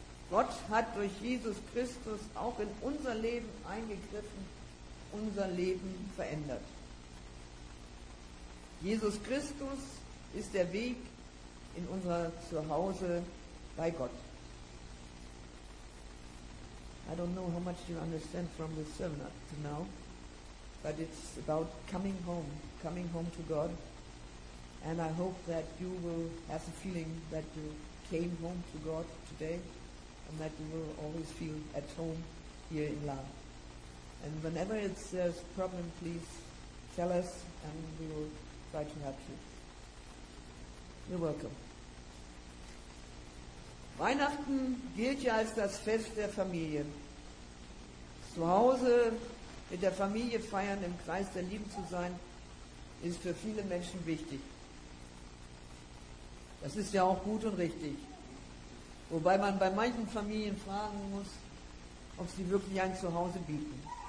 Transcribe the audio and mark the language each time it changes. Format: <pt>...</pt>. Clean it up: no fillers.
<de>Gott hat durch Jesus Christus auch in unser Leben eingegriffen, unser Leben verändert. Jesus Christus ist der Weg in unser Zuhause bei Gott.</de> <en>I don't know how much you understand from this sermon up to now, but it's about coming home to God. And I hope that you will have a feeling that you came home to God today, and that you will always feel at home here in love. And whenever it's a problem, please tell us, and we will try to help you. You're welcome.</en> <de>Weihnachten gilt ja als das Fest der Familie. Zu Hause mit der Familie feiern, im Kreis der Lieben zu sein, ist für viele Menschen wichtig. Das ist ja auch gut und richtig. Wobei man bei manchen Familien fragen muss, ob sie wirklich ein Zuhause bieten.</de>